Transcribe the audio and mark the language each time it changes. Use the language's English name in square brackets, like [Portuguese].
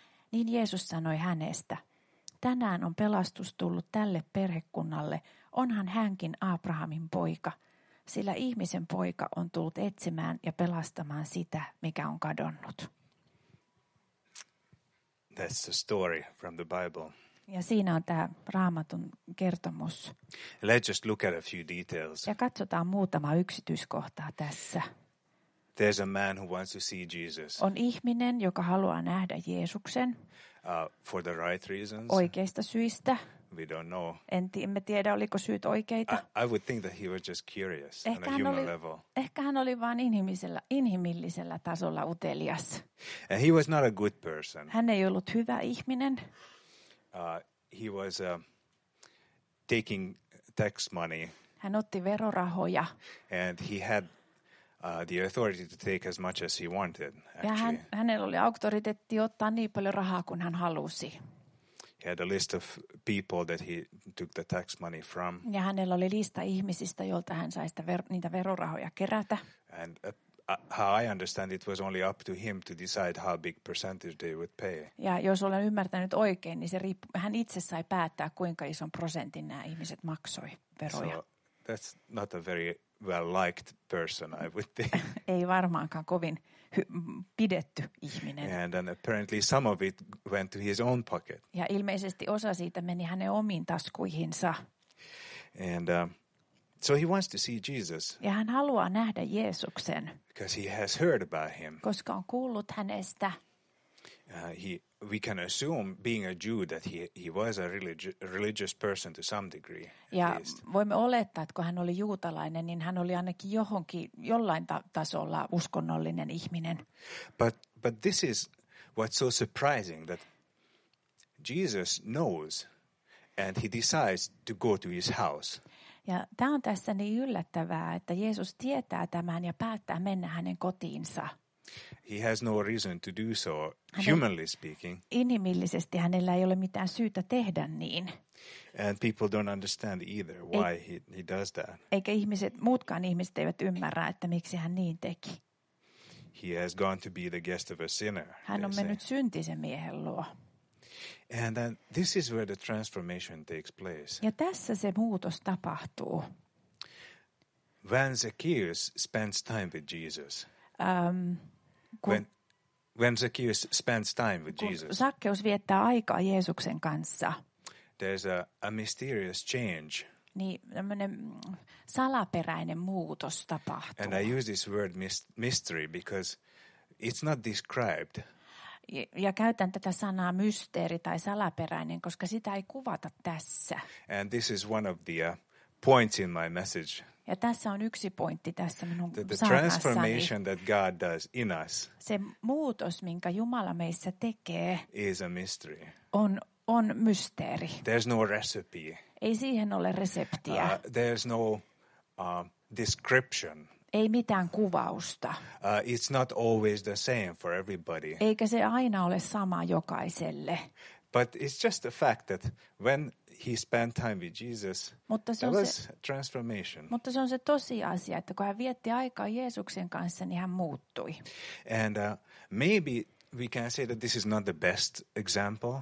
[Finnish] Niin Jeesus sanoi hänestä, tänään on pelastus tullut tälle perhekunnalle, onhan hänkin Abrahamin poika, sillä ihmisen poika on tullut etsimään ja pelastamaan sitä, mikä on kadonnut. [English] That's the story from the Bible. [Finnish] Ja siinä on tämä Raamatun kertomus. [English] Let's just look at a few details. [Finnish] Ja katsotaan muutama yksityiskohtaa tässä. [English] There's a man who wants to see Jesus. [Finnish] On ihminen, joka haluaa nähdä Jeesuksen. [English] For the right reasons. [Finnish] Oikeista syistä. [English] We don't know. [Finnish] Emme tiedä, oliko syyt oikeita. [English] I would think that he was just curious on a human level. [Finnish] Ehkä hän oli vain inhimillisellä tasolla utelias. [English] And he was not a good person. [Finnish] Hän ei ollut hyvä ihminen. [English] He was taking tax money. [Finnish] Hän otti verorahoja. [English] And he had the authority to take as much as he wanted, actually. [Finnish] Ja hänellä oli auktoriteetti ottaa niin paljon rahaa kuin hän halusi. [English] He had a list of people that he took the tax money from. [Finnish] Ja hänellä oli lista ihmisistä, joilta hän sai niitä verorahoja kerätä. [English] And how I understand it was only up to him to decide how big percentage they would pay. [Finnish] Ja jos olen ymmärtänyt oikein, niin hän itse sai päättää, kuinka ison prosentin nämä ihmiset maksoi veroja. [English] So that's not a very well-liked person, I would think. [Finnish] Ei varmaankaan kovin pidetty ihminen. [English] And apparently some of it went to his own pocket. [Finnish] Ja ilmeisesti osa siitä meni hänen omiin taskuihinsa. [English] And so he wants to see Jesus. [Finnish] Ja hän haluaa nähdä Jeesuksen. [English] Because he has heard about him. [Finnish] Koska on kuullut hänestä. [English] we can assume, being a Jew, that he was a religious person to some degree. [Finnish] Ja voimme olettaa, että kun hän oli juutalainen, niin hän oli ainakin johonkin jollain tasolla uskonnollinen ihminen. [English] But this is what's so surprising, that Jesus knows and he decides to go to his house. [Finnish] Ja tämä on tässä niin yllättävää, että Jeesus tietää tämän ja päättää mennä hänen kotiinsa. [English] He has no reason to do so, humanly speaking. [Finnish] Inhimillisesti hänellä ei ole mitään syytä tehdä niin. [English] And people don't understand either why he does that. [Finnish] Eikä ihmiset, muutkaan ihmiset eivät ymmärrä, että miksi hän niin teki. [English] He has gone to be the guest of a sinner. [Finnish] Hän on mennyt syntisen miehen luo. [English] And then this is where the transformation takes place. [Finnish] Ja tässä se muutos tapahtuu. [English] When Zacchaeus spends time with Jesus. When Zacchaeus spends time with Jesus. [Finnish] Zacchaeus viettää aikaa Jeesuksen kanssa. [English] There's a mysterious change. [Finnish] Niin tämmöinen salaperäinen muutos tapahtuu. [English] And I use this word mystery because it's not described. [Finnish] Ja käytän tätä sanaa mysteeri tai salaperäinen, koska sitä ei kuvata tässä. [English] And this is one of the points in my message. [Finnish] Ja tässä on yksi pointti tässä minun sanassani. [English] The transformation that God does in us. [Finnish] Se muutos, minkä Jumala meissä tekee. [English] Is a mystery. [Finnish] On mysteeri. [English] There's no recipe. [Finnish] Ei siihen ole reseptiä. [English] There's no description. [Finnish] Ei mitään kuvausta. [English] It's not always the same for everybody. [Finnish] Eikä se aina ole sama jokaiselle. [English] But it's just the fact that when he spent time with Jesus, there was transformation. [Finnish] Mutta se on se tosiasia, että kun hän vietti aikaa Jeesuksen kanssa, niin hän muuttui. [English] And maybe we can say that this is not the best example.